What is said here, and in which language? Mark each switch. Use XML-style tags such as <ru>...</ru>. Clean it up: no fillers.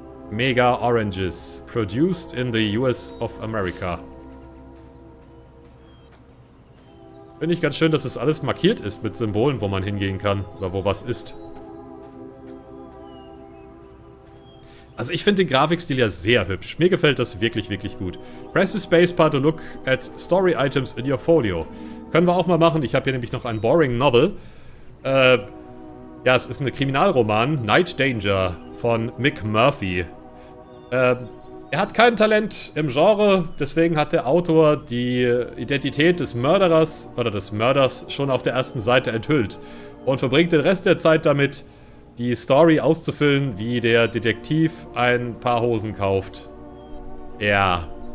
<en>Mega Oranges. Produced in the US of America.</en> <de>Finde ich ganz schön, dass es alles markiert ist mit Symbolen, wo man hingehen kann oder wo was ist. Also ich finde den Grafikstil ja sehr hübsch. Mir gefällt das wirklich, wirklich gut.</de> <en>Press the spacebar to look at story items in your folio.</en> <de>Können wir auch mal machen. Ich habe hier nämlich noch ein Boring Novel. Ja, es ist ein Kriminalroman. Night Danger von Mick Murphy. Er hat kein Talent im Genre, deswegen hat der Autor die Identität des Mörderers oder des Mörders schon auf der ersten Seite enthüllt und verbringt den Rest der Zeit damit, die Story auszufüllen, wie der Detektiv ein paar Hosen kauft. Ja.</de>